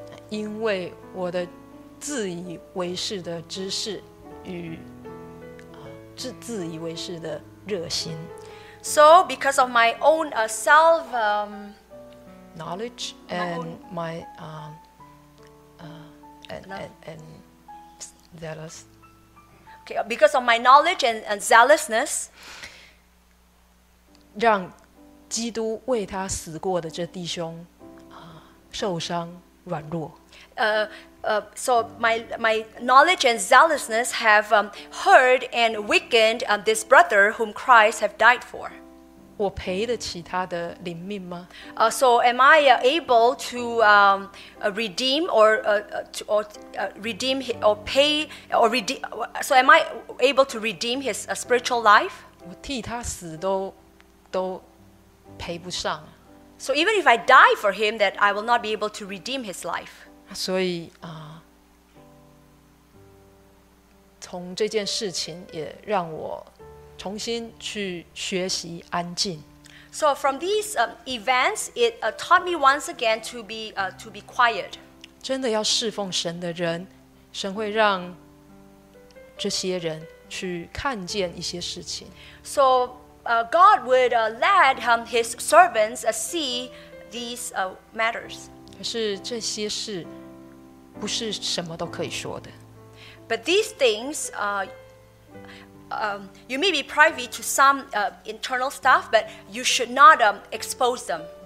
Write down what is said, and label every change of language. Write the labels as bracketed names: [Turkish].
[Chinese] 因为我的自以为是的知识与、自以为是的热心。 [English] So, because of my own self knowledge and my and zealous. Okay, because of my knowledge and zealousness, [Chinese] 让基督为他死过的这弟兄受伤软弱。 [English] So my knowledge and zealousness have hurt and weakened this brother whom Christ have died for. [Chinese] 我赔得起他的灵命吗？ [English] So am I able to redeem or redeem or pay or redeem? So am I able to redeem his spiritual life? [Chinese] 我替他死都赔不上。 [English] So even if I die for him, that I will not be able to redeem his life. [Chinese] 所以啊，从这件事情也让我重新去学习安静。 [English] So from these events, it taught me once again to be quiet. [Chinese] 真的要侍奉神的人，神会让这些人去看见一些事情。 [English] So God would let his servants see these matters. [Chinese] 可是这些事不是什么都可以说的。 [English] But these things, you may be privy to some internal stuff, but you should not expose them.